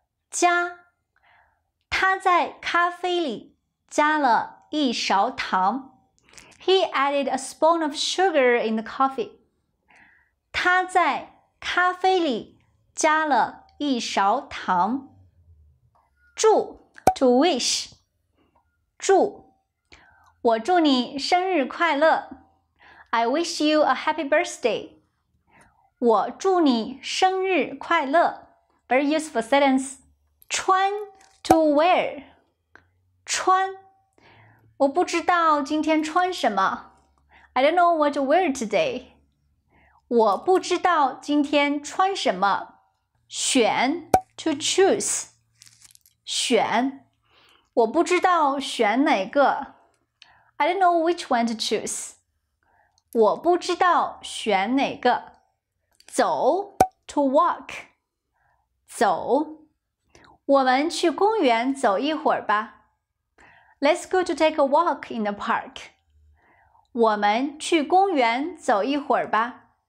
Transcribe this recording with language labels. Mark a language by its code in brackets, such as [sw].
[zh] 加他在咖啡里加了一勺糖。 [en] He added a spoon of sugar in the coffee. [zh] 他在咖啡里加了一勺糖。祝 [en] to wish. [zh] 祝我祝你生日快乐。 [en] I wish you a happy birthday. [zh] 我祝你生日快乐。 [en] Very useful sentence. 穿 to wear. [zh] 穿我不知道今天穿什么。 [en] I don't know what to wear today. [zh] 我不知道今天穿什么。选 [en] to choose. [zh] 选我不知道选哪个。 [en] I don't know which one to choose. [zh] 我不知道选哪个。走 [en] to walk. [zh] 走我们去公园走一会儿吧。 [en] Let's go to take a walk in the park. [zh] 我们去公园走一会儿吧。